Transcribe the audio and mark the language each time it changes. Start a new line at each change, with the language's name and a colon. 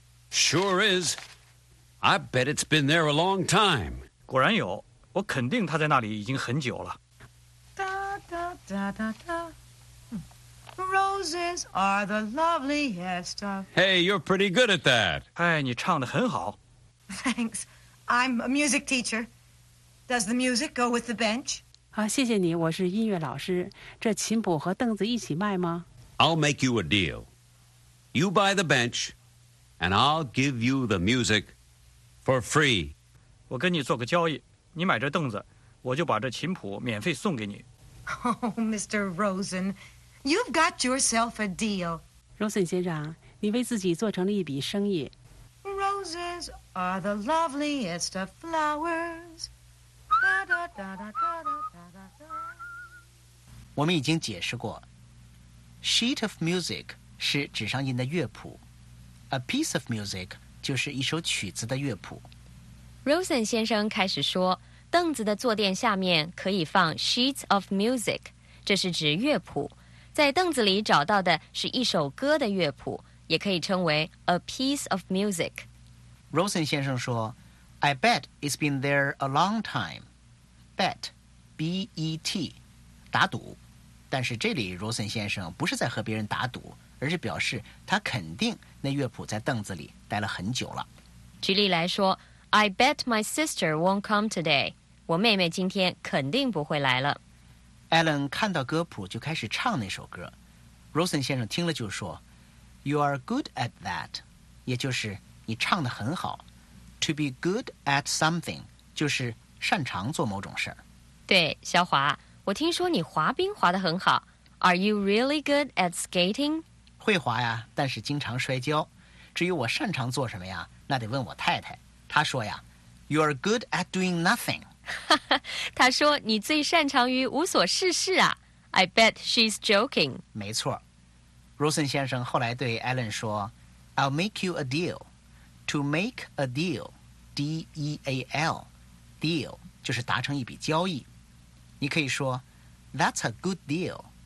English: Sure is. I bet it's been there a long time.
Chinese: 果然有，我肯定他在那里已经很久了。哒哒哒哒哒
English: ，Roses are the loveliest of. Hey, you're pretty good at that.
Chinese: 哎，你唱得很好。
English: Thanks, I'm a music teacher. Does the music go with the bench?
Chinese: 好，谢谢你，我是音乐老师。这琴谱和凳子一起卖吗
English: ？I'll make you a deal. You buy the bench, and I'll give you the music for free.
Chinese: 我跟你做个交易，你买这凳子，我就把这琴谱免费送给你。
English: Oh, Mr. Rosen, you've got yourself a deal.
Chinese: Rosen 先生，你为自己做成了一笔生意。
English: Roses are the loveliest of flowers. Da, da, da, da, da, da, da, da.
Chinese: 我们已经解释过 ，
English: sheet of music
Chinese: 是纸上印的乐谱 ，
English: a piece of music
Chinese: 就是一首曲子的乐谱。 Rosen 先生开始说，凳子的坐垫下面可以放
English: sheets of music，
Chinese: 这是指乐谱。在凳子里找到的是一首歌的乐谱，也可以称为
English: a piece of music。
Chinese: Rosen 先生说 ，
English: I bet it's been there a long time. Bet, B-E-T，
Chinese: 打赌。但是这里 Rosen 先生不是在和别人打赌，而是表示他肯定那乐谱在凳子里待了很久了。举例来说。
English: I bet my sister won't come today.
Chinese: 我妹妹今天肯定不会来了。 Alan 看到歌谱就开始唱那首歌。 Rosen 先生听了就说
English: You are good at that.
Chinese: 也就是你唱得很好。
English: To be good at something
Chinese: 就是擅长做某种事。对，小华，我听说你滑冰滑得很好。
English: Are you really good at skating?
Chinese: 会滑呀，但是经常摔跤。至于我擅长做什么呀，那得问我太太。他说呀
English: You are good at doing nothing.
Chinese: 他说你最擅长于无所事事啊。
English: I bet she's joking.
Chinese: 没错。 Rosen 先生后来对 Alan 说
English: I'll make you a deal. To make a deal, D-E-A-L, deal,
Chinese: 就是达成一笔交易。你可以说
English: That's a good deal.